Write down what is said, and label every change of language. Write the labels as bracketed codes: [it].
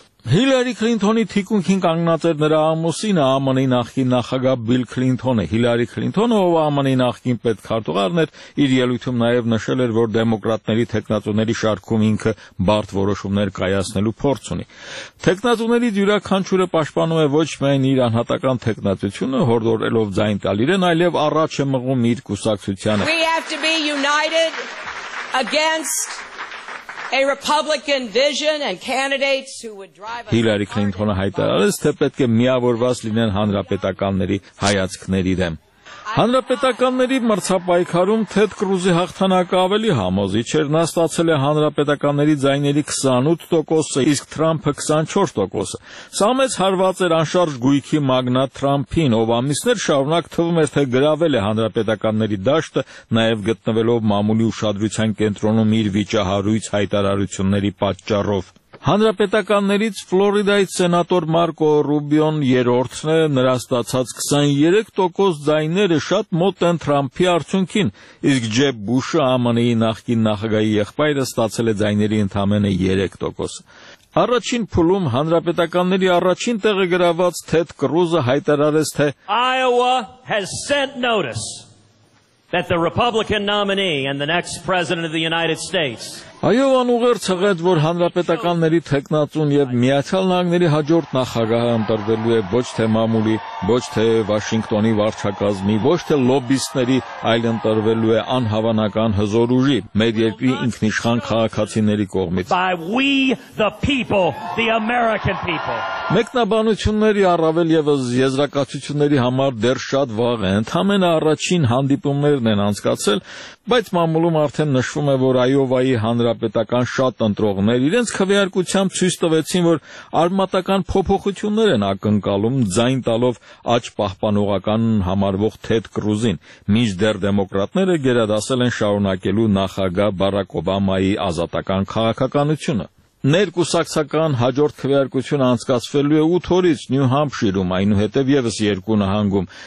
[hy] Հիլարի Քլինթոնի թիկունքին կանգնած էր նրա ամուսինը, ԱՄՆ-ի նախկին նախագահ Բիլ Քլինթոնը։ Հիլարի Քլինթոնը, ով ԱՄՆ-ի նախկին պետքարտուղարն էր, իր ելույթում նաև նշել էր, որ դեմոկրատների թեկնածուների շարքում ինքը բարդ որոշումներ կայացնելու փորձ ունի։ Թեկնածուների յուրաքանչյուրը պաշտպանում է ոչ միայն իր անհատական թեկնածությունը, հորդորելով ձայն տալ իրեն, այլև առաջ է մղում իր կուսակցությանը։ [en] We have to be united against a Republican vision and candidates who would drive us. [hy] Հիլարի Քլինթոնը հայտարարեց, թե պետք է միավորված լինեն հանրապետականների հայացքների դեմ։ Հանրապետականների մրցապայքարում Թեդ Կրուզի հաղթանակը ավելի համոզիչ էր, նա ստացել է հանրապետականների ձայների 28%-ը, իսկ Թրամփը 24%-ը։ Սա մեծ հարված էր անշարժ գույքի մագնա Թրամփին, ով ամիսներ շարունակ թվում էր, թե գրավել է հանրապետականների դաշտը, նաև գտնվելով մամուլի ուշադրության կենտրոնում իր վիճահարույց հայտարարությունների պատճառով։ Հանրապետականներից Ֆլորիդայից սենատոր Մարկո Ռուբիոն 3-րդն է, նրա ստացած 23% ձայները շատ մոտ են Թրամփի արդյունքին, իսկ Ջեբ Բուշը, ԱՄՆ-ի նախկին նախագահի եղբայրը, ստացել է ձայների ընդամենը 3%։ Առաջին փուլում հանրապետականների առաջին տեղը գրաված Թեդ Կրուզը հայտարարեց, թե [en] Iowa has sent notice that the Republican nominee and the next president of the United States. [hy] Այովան ուղերձ ցղեց, որ հանրապետականների թեկնածուն եւ Միացյալ Նահանգների հաջորդ նախագահը ընտրվելու է ոչ թե մամուլի, ոչ թե Վաշինգտոնի վարչակազմի, ոչ թե լոբիստների, այլ ընտրվելու է անհավանական հզոր ուժի՝ մեր երկրի ինքնիշխան քաղաքացիների կողմից։ [en] By we the people, the American people. [hy] Մեկնաբանությունների առավել եւս եզրակացությունների համար դեռ շատ վաղ է։ Ընդհանրապես առաջին հանդիպումներն են անցկացել, բայց մամուլում արդեն նշվում է, որ Այովայի հանրապետական շատ ընտրողներ իրենց քվեարկությամբ ցույց տվեցին, որ արմատական փոփոխություններ են ակնկալում, ձայն տալով աջ պահպանողական համարվող Թեդ Կրուզին, մինչդեռ դեմոկրատները գերադասել են շարունակելու նախագահ Բարակ Օբամայի ազատական քաղաքականությունը։ Ներկուսակցական հաջորդ քվեարկություն անցկացվելու է 8 օրից Նյու Համշիրում, այնուհետև ևս 2 նահանգում,